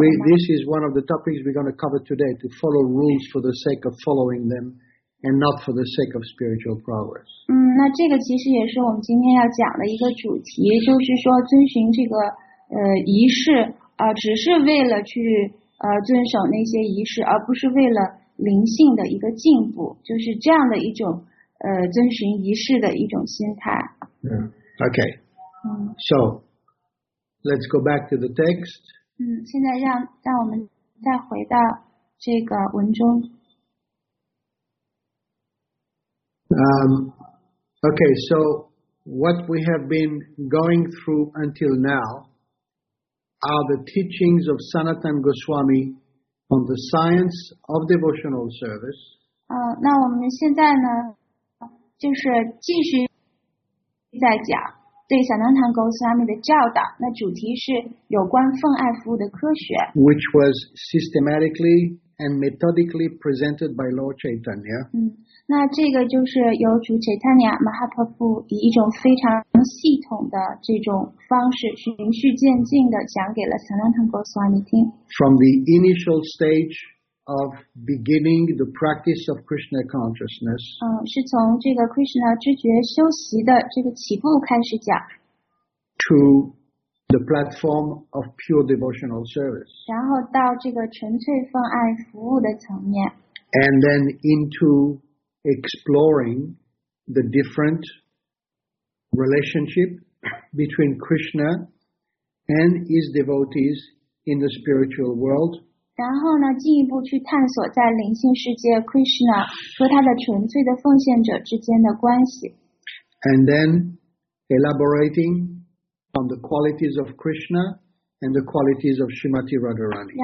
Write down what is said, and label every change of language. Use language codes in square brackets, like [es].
[en] ？So this is one of the topics we're going to cover today: to follow rules for the sake of following them, and not for the sake of spiritual progress. [zh] 那这个其实也是我们今天要讲的一个主题，就是说遵循这个。仪式只是为了去遵守那些仪式，而不是为了灵性的一个进步，就是这样的一种遵循仪式的一种心态。 [en] Okay. So let's go back to the text. [zh] 现在让我们再回到这个文中。 [en] Okay. So what we have been going through until now. Are the teachings of Sanatan Goswami on the science of devotional service? [zh] 那我们现在呢，就是继续在讲对 Sanatan Goswami 的教导。那主题是有关奉爱服务的科学 [en] ，which was systematically and methodically presented by Lord Chaitanya. [zh] 那这个就是由主 Chaitanya Mahaprabhu 以一种非常系统的这种方式循序渐进的讲给了 Sanatan Goswami 听。 [en] From the initial stage of beginning the practice of Krishna consciousness. [zh] 是从这个 Krishna 知觉修习的这个起步开始讲。 [en] To the platform of pure devotional service. [zh] 然后到这个纯粹奉爱服务的层面。 [en] And then into exploring the different. Relationship between Krishna and his devotees in the spiritual world. [zh] 然后呢，进一步去探索在灵性世界 Krishna 和他的纯粹的奉献者之间的关系。 [en] And then elaborating on the qualities of Krishna and the qualities of Srimati Radharani.